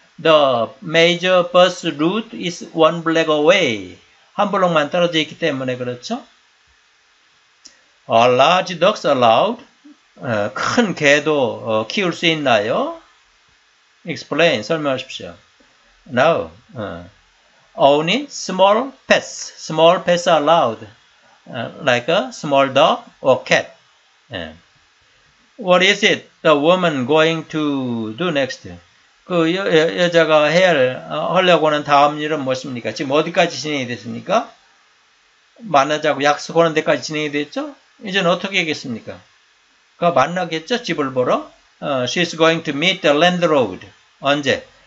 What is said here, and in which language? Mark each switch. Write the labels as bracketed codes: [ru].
[en] The major bus route is one block away. [ko] 한 블록만 떨어져 있기 때문에 그렇죠? [en] Are large dogs allowed? [ko] 큰 개도 키울 수 있나요? [en] Explain, [ko] 설명하십시오. [en] No. Only small pets. Small pets are allowed. Like a small dog or cat. What is it the woman going to do next? [ko] 여자가 하려고 하는 다음 일은 무엇입니까? 지금 어디까지 진행이 됐습니까? 만나자고 약속하는 데까지 진행이 됐죠? 이제는 어떻게 하겠습니까? 그가 만나겠죠? 집을 보러? [en] She's going to meet the landlord. [ko] 언제?